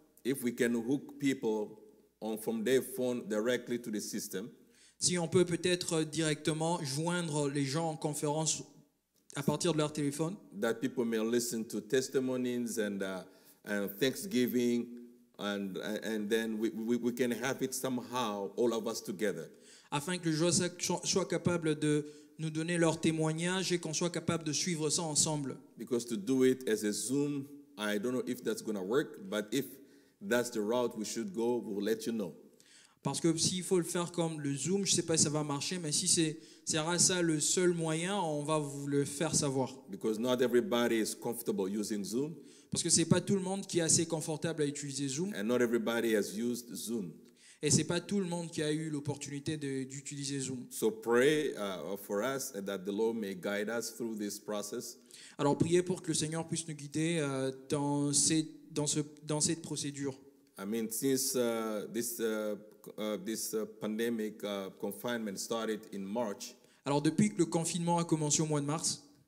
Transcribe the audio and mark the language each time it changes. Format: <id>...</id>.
<en>If we can hook people on from their phone directly to the system,</en> <fr>si on peut peut-être directement joindre les gens en conférence à partir de leur téléphone,</fr> <en>that people may listen to testimonies and thanksgiving and then we can have it somehow all of us together,</en> <fr>afin que les gens soient capables de nous donner leur témoignage et qu'on soit capable de suivre ça ensemble.</fr> <en>Because to do it as a Zoom, I don't know if that's going to work, but if that's the route we should go, we'll let you know.</en> <fr>Parce que s'il faut le faire comme le Zoom, je sais pas si ça va marcher, mais si c'est ça le seul moyen, on va vous le faire savoir.</fr> <en>Because not everybody is comfortable using Zoom.</en> <fr>Parce que c'est pas tout le monde qui est assez confortable à utiliser Zoom.</fr> <en>And not everybody has used Zoom.</en> <fr>Et c'est pas tout le monde qui a eu l'opportunité d'utiliser Zoom.</fr> <en>So pray for us that the Lord may guide us through this process.</en> <fr>Alors priez pour que le Seigneur puisse nous guider dans cette procédure.</fr> <en>I mean, since this pandemic confinement started in March.</en> <fr>Alors depuis que le confinement a commencé au mois de mars,</fr>